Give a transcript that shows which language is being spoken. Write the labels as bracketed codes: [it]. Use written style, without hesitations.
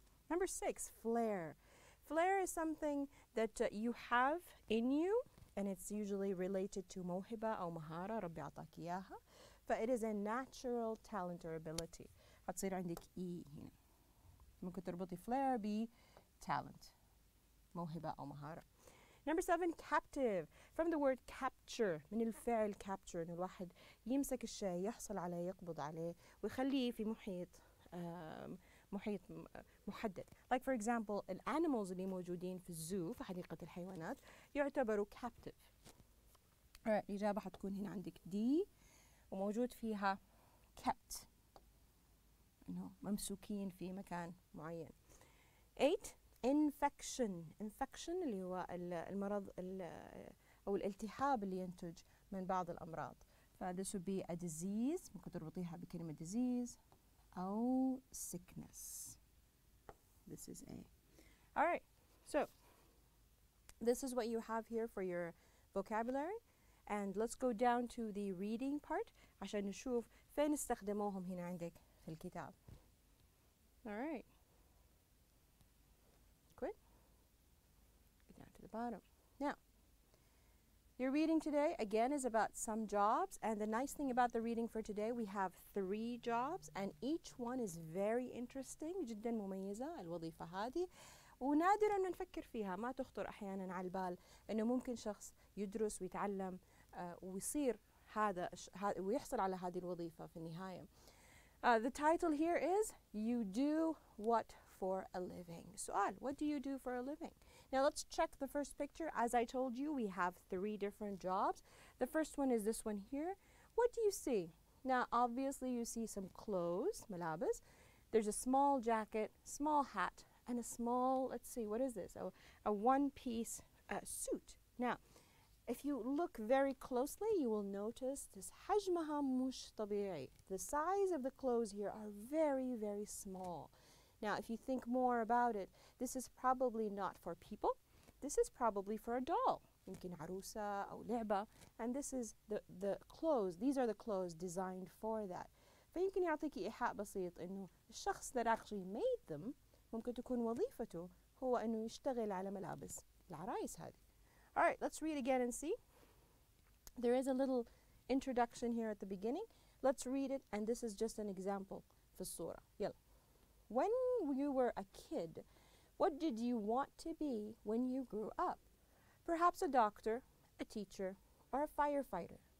[en] Number six, flair. Flair is something that you have in you, and it's usually related to [ar] موهبة أو مهارة ربي عطاك إياها. [en] فIt is a natural talent or ability. [ar] حتصير عندك E هنا. ممكن تربطي flair ب talent، موهبة أو مهارة. [en] Number seven, captive. From the word capture، [ar] من الفعل capture، إن الواحد يمسك الشيء يحصل عليه يقبض عليه ويخليه في محيط محيط محدد. [en] Like for example, the animals [ar] اللي موجودين في الزو في حديقة الحيوانات يعتبروا captive. Alright، الإجابة حتكون هنا عندك D وموجود فيها kept. إنه ممسوكين في مكان معين. [en] Eight, infection. [ar] Infection اللي هو المرض أو الالتهاب اللي ينتج من بعض الأمراض. [en] This would be a disease. [ar] ممكن تربطيها بكلمة disease. [en] أو sickness. This is A. Alright, so this is what you have here for your vocabulary. And let's go down to the reading part [ar] عشان نشوف فين استخدموهم هنا عندك في الكتاب. [en] Alright. Quit. Get down to the bottom. Now, your reading today, again, is about some jobs. And the nice thing about the reading for today, we have three jobs. And each one is very interesting. [ar] جدا مميزة الوظيفة هذه. ونادرا ما نفكر فيها. ما تخطر أحيانا على البال أنه ممكن شخص يدرس ويتعلم ويصير هذا ويحصل على هذه الوظيفة في النهاية. [en] The title here is, you do what for a living. سؤال, what do you do for a living? Now let's check the first picture. As I told you, we have three different jobs. The first one is this one here. What do you see? Now, obviously, you see some clothes, ملابس. There's a small jacket, small hat, and a small, let's see, what is this? A one-piece suit. Now, if you look very closely, you will notice this [ar] حجمها مش طبيعي. [en] The size of the clothes here are very, very small. Now, if you think more about it, this is probably not for people. This is probably for a doll. [ar] يمكن عروسة أو لعبة. [en] And this is the clothes. These are the clothes designed for that. [ar] فيمكن يعطيك إيحاء بسيط إنه الشخص [en] that actually made them [ar] ممكن تكون وظيفته هو إنه يشتغل على ملابس العرايس هذه. [en] Alright, let's read again and see. There is a little introduction here at the beginning. Let's read it, and this is just an example for surah. Yalla. When you were a kid, what did you want to be when you grew up? Perhaps a doctor, a teacher, or a firefighter.